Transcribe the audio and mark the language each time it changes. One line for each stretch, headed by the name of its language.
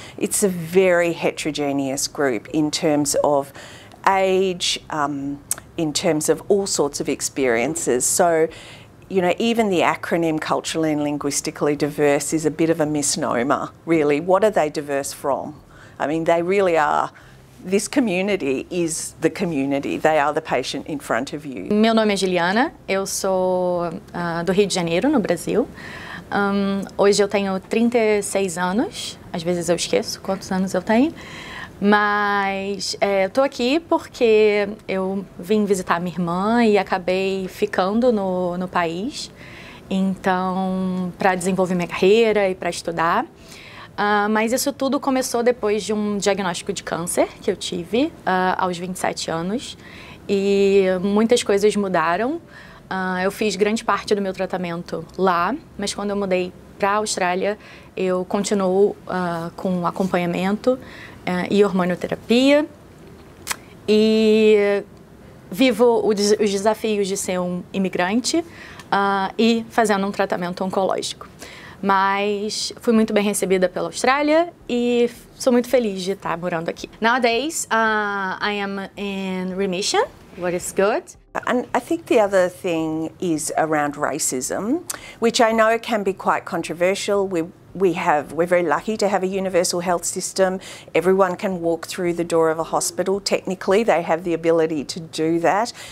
English: It's a very heterogeneous group in terms of age, in terms of all sorts of experiences. So, you know, even the acronym culturally and linguistically diverse is a bit of a misnomer, really. What are they diverse from? I mean, they really are. This community is the community. They are the patient in front of you.
Portuguese: Meu nome é Juliana. Eu sou do Rio de Janeiro, no Brasil. Hoje eu tenho 36 anos. Às vezes eu esqueço quantos anos eu tenho. Mas eu tô aqui porque eu vim visitar minha irmã e acabei ficando no país. Então, para desenvolver minha carreira e para estudar. Mas isso tudo começou depois de um diagnóstico de câncer que eu tive aos 27 anos. E muitas coisas mudaram. Eu fiz grande parte do meu tratamento lá, mas quando eu mudei para a Austrália, eu continuo com acompanhamento e hormonoterapia. E vivo os desafios de ser um imigrante e fazendo um tratamento oncológico. Mas fui muito bem recebida pela Austrália e sou muito feliz de estar morando aqui.
English: Nowadays, I am in remission, which is good. And I think the other thing is around racism, which I know can be quite controversial. We're very lucky to have a universal health system. Everyone can walk through the door of a hospital. Technically, they have the ability to do that.